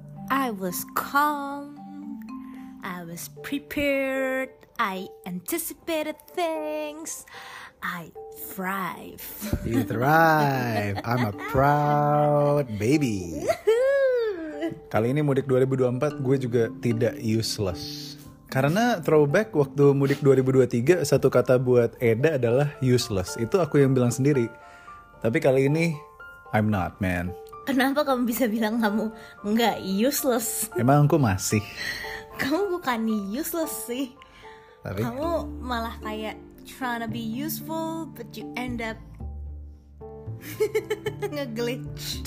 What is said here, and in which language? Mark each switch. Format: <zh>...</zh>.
<en>I was calm, I was prepared, I anticipated things, I thrive. You thrive, I'm a proud baby.</en> <id>Kali ini mudik 2024 gue juga tidak useless. Karena throwback waktu mudik 2023, satu kata buat Eda adalah useless. Itu aku yang bilang sendiri. Tapi kali ini,</id> <en>I'm not, man.</en> <id>Kenapa kamu bisa bilang kamu nggak useless? Emang aku masih. Kamu bukan useless sih. Tapi kamu malah kayak</id> <en>trying to be useful, but you end up</en> <id>nge-glitch.</id>